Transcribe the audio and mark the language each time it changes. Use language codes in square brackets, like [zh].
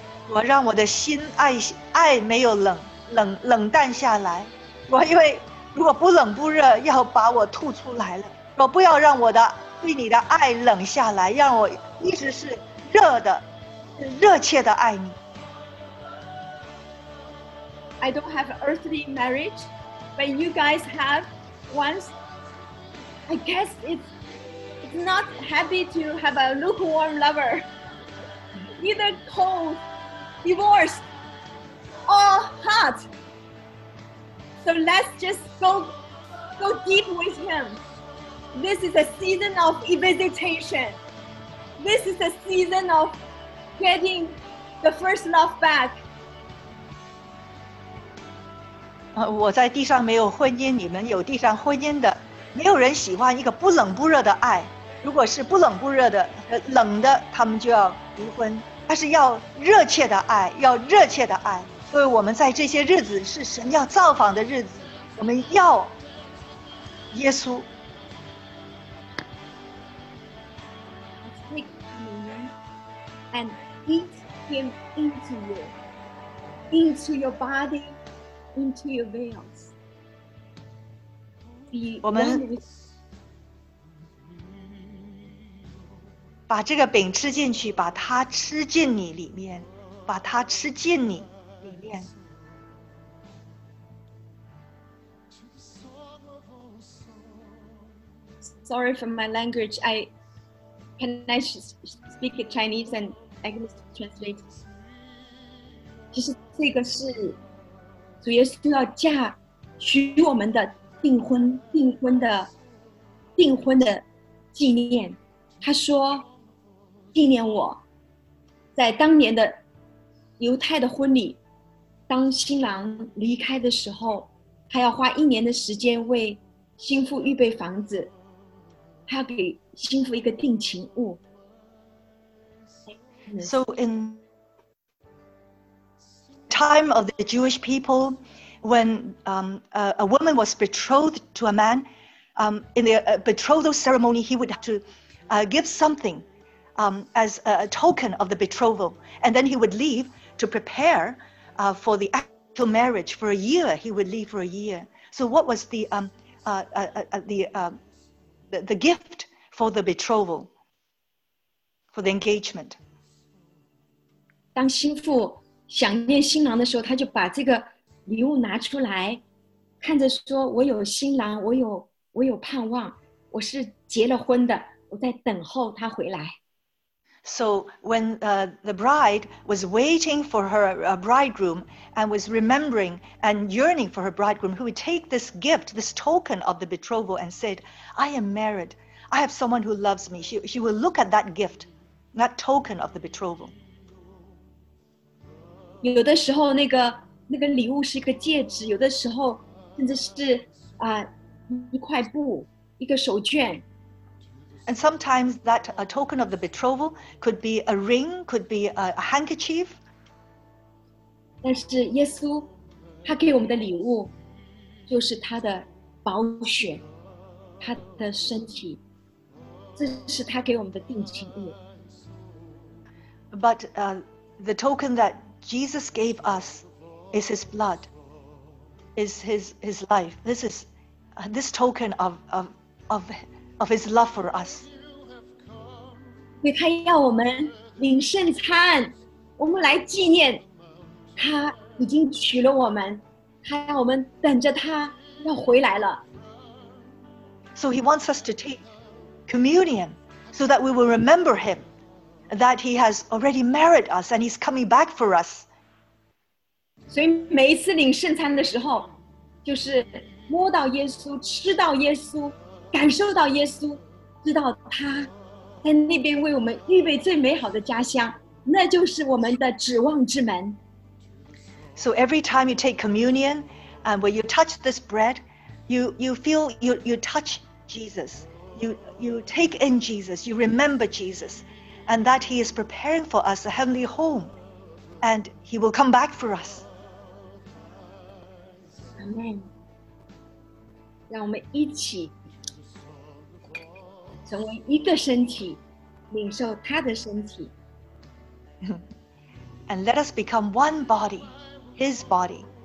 [zh] 我让我的心爱没有冷淡下来。我因为如果不冷不热，要把我吐出来了。我不要让我的对你的爱冷下来，让我一直是热的，热切的爱你。 [en] I don't have an earthly marriage, but you guys have once. I guess it's not happy to have a lukewarm lover. Either cold, divorced, or hot. So let's just go deep with him. This is a season of visitation. This is a season of getting the first love back. [zh] 我在地上没有婚姻，你们有地上婚姻的，没有人喜欢一个不冷不热的爱。如果是不冷不热的，冷的，他们就要离婚。但是要热切的爱，要热切的爱。所以我们在这些日子是神要造访的日子，我们要耶稣。 [en] Take communion and eat him into your body. Into your veils. We [zh] 把这个饼吃进去，把它吃进你里面，把它吃进你里面。 [en] Sorry for my language. Can I just speak Chinese and English translate? [zh] 其实这个是。主耶稣要嫁娶我们的订婚的纪念，他说纪念我在当年的犹太的婚礼，当新郎离开的时候，他要花一年的时间为新妇预备房子，他要给新妇一个定情物。 [en] So inTime of the Jewish people, when a woman was betrothed to a man, in the betrothal ceremony, he would have to give something as a token of the betrothal, and then he would leave to prepare for the actual marriage. For a year, he would leave for a year. So, what was the gift for the betrothal, for the engagement? [zh] 当新妇想念新郎的时候，他就把这个礼物拿出来，看着说：“我有新郎，我有盼望，我是结了婚的，我在等候他回来。” [en] So when the bride was waiting for her bridegroom and was remembering and yearning for her bridegroom, who would take this gift, this token of the betrothal, and said, "I am married. I have someone who loves me." She will look at that gift, that token of the betrothal. [zh] 有的时候那个礼物是一个戒指，有的时候甚至是一块布，一个手绢。 [en] And sometimes that a token of the betrothal could be a ring, could be a handkerchief. [zh] 但是耶稣他给我们的礼物就是他的宝血，他的身体，这是他给我们的定情物。 [en] But the token thatJesus gave us is his blood, is his life. This is this token of his love for us. [zh] 他要我们领圣餐，我们来纪念他已经娶了我们，他要我们等着他要回来了。 [en] So he wants us to take communion so that we will remember him, that he has already married us and he's coming back for us. [zh] 所以每一次领圣餐的时候，就是摸到耶稣，吃到耶稣，感受到耶稣，知道他在那边为我们预备最美好的家乡，那就是我们的指望之门。 [en] So every time you take communion, and when you touch this bread, you feel you touch Jesus, you take in Jesus, you remember Jesus, and that he is preparing for us a heavenly home, and he will come back for us. [zh] Amen. 让我们一起成为一个身体，领受他的身体。 [en] And let us become one body, his body.